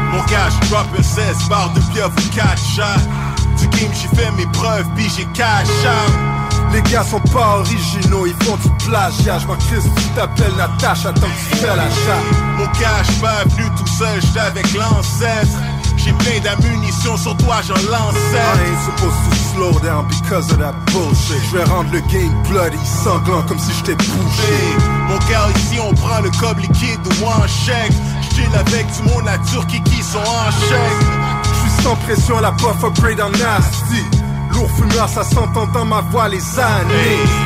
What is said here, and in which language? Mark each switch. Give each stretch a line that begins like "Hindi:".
French: Mon cash drop un 16 bar de pieuvre, catch up. Du game, j'ai fait mes preuves, puis j'ai cash up. Les gars sont pas originaux, ils font du plagiat. J'm'en crisse, tu t'appelles Natacha, tant que tu fais l'achat. Mon cash pas venu tout seul, j'étais avec l'ancêtre. J'ai plein d'ammunition sur toi, j'en lance.
English: I ain't supposed to slow down because of that bullshit.
French: J'vais rendre le game bloody, sanglant comme si j't'ai bougé. Hey, mon gars, ici on prend le cob liquide ou en chèque. J'chill avec du monde à Turquie qui sont en chèque. J'suis sans pression, la puff upgrade en nasty. Lourd fumeur, ça s'entend dans ma voix les années.